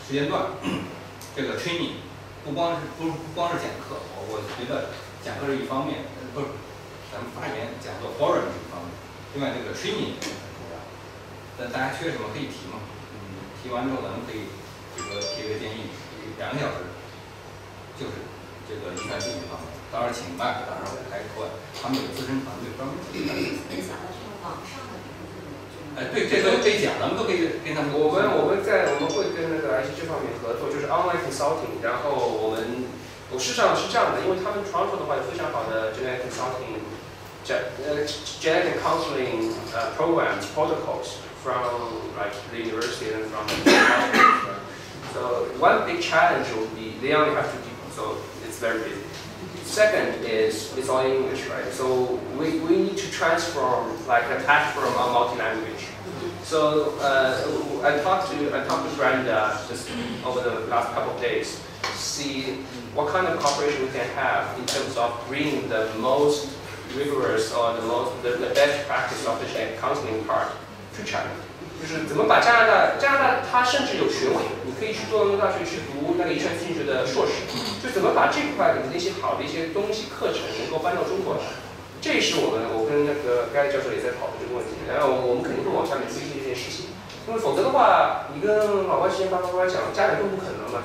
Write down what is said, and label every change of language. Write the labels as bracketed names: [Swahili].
[Chinese] 就是明年咱们专门到时候再抽出一个时间段，这个 training 不光是讲课，我觉得讲课是一方面，不是咱们发言讲座 forum 是一方面，另外这个 training 也很重要。但大家缺什么可以提嘛？提完之后咱们可以提个建议，2个小时，就是这个遗传病这方面。到时候请 Marc 到时候来客，他们有资深团队专门。对，这都可以讲，咱们都可以跟他们。我们会跟那个癌细这方面合作， [English] 就是 online consulting。 [Chinese] 然后我事实上是这样的，因为他们 [English] Toronto 的话有非常好的 genetic consulting， genetic counseling programs protocols from like the university and from the so one big challenge would be they only have two people, so it's very busy. Second is it's all English, right? So we need to transform like a platform on multi language. So I talked to Brenda just over the last couple of days, see what kind of cooperation we can have in terms of bringing the most rigorous or the best practice of the genetic counseling part to China. [Chinese] 就是怎么把加拿大它甚至有学位，你可以去多伦多大学去读那个遗传心理学的硕士。就怎么把这块里的那些好的一些东西课程能够搬到中国来，这是我跟那个盖教授也在讨论这个问题。然后我们肯定会往下面推进这件事情，因为否则的话，你跟老外之间叭叭讲，家长更不可能嘛。